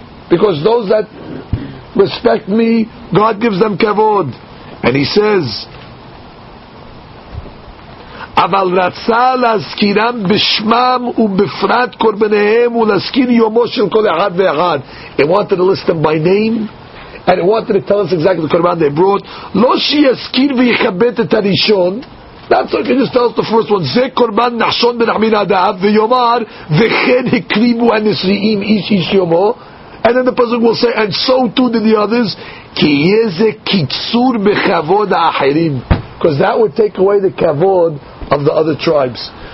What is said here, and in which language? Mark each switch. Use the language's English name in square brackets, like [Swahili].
[English] Because those that respect me, God gives them kavod. And he says, [Hebrew] אבל רצה להזכירם בשמם ובפרט קורבניהם ולהזכיר יומו של כל אחד ואחד. [English] He wanted to list them by name, and he wanted to tell us exactly the Qurban they brought. [Hebrew] לא שיזכיר ויכבד את הראשון. [English] That's okay, just tell us the first one. [Hebrew] זה קורבן נחשון בנחמין הדאב ויומר וכן הקריבו הנשיאים איש איש יומו. [English] And then the person will say, and so too did the others. [Hebrew] כי איזה קיצור בכבוד האחרים. [English] Because that would take away the kavod of the other tribes.